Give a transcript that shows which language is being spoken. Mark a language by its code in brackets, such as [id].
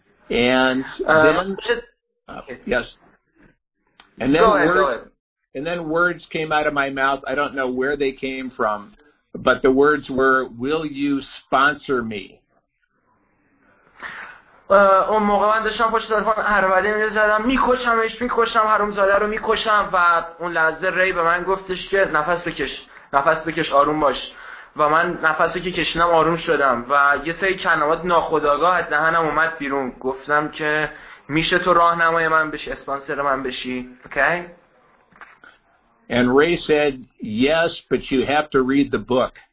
[en] And then words came out of my mouth. I don't know where they came from, but the words were, will you sponsor me? [fa] اون موقع من داشتم پشت تلفن عربده می‌زدم میکشمش میکشم حرومزاده رو میکشم و اون لحظه ری به من گفتش که نفس بکش آروم باش و من نفسی که کشیدم آروم شدم و یه سری کلمات ناخودآگاه از دهنم اومد بیرون گفتم که میشه تو راهنمای من بشی اسپانسر من بشی. [en] Okay. And Ray said yes but you have to read the book.